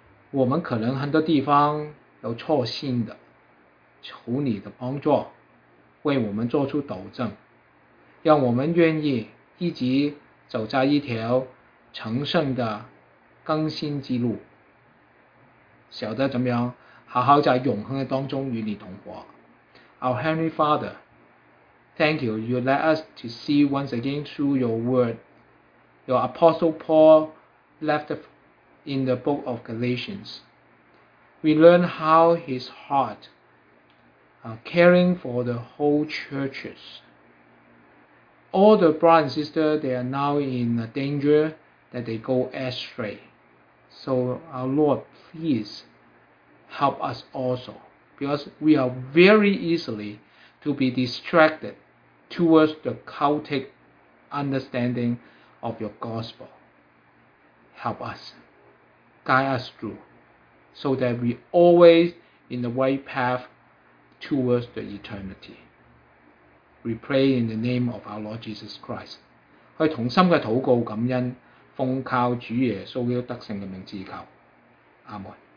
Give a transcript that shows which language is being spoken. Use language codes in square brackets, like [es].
[zh] 我们可能很多地方有错信的，求你的帮助，为我们做出纠正，让我们愿意一直走在一条成圣的更新之路，晓得怎么样好好在永恒的当中与你同活。 [en] Our Heavenly Father, thank you. You let us to see once again through your word. Your Apostle Paul left in the book of Galatians. We learn how his heart caring for the whole churches. All the brothers and sisters, they are now in danger that they go astray. So our Lord, please help us also. Because we are very easily to be distracted towards the cultic understanding of your gospel. Help us, guide us through, so that we always in the right path towards the eternity. We pray in the name of our Lord Jesus Christ. [zh] 去同心的祷告感恩，奉靠主耶稣基督得胜的名字求，阿门。